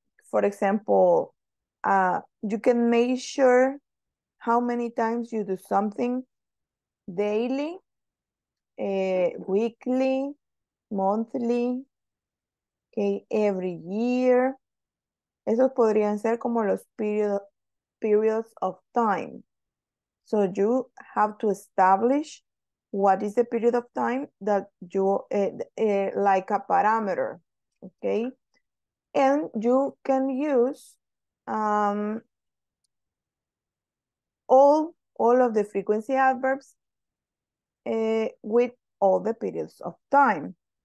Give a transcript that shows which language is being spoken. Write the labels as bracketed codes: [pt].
[en] For example, you can measure how many times you do something daily, weekly, monthly, okay, every year. [es] Esos podrían ser como los [en] periods of time. So you have to establish what is the period of time that you like a parameter, okay? And you can use all of the frequency adverbs with all the periods of time.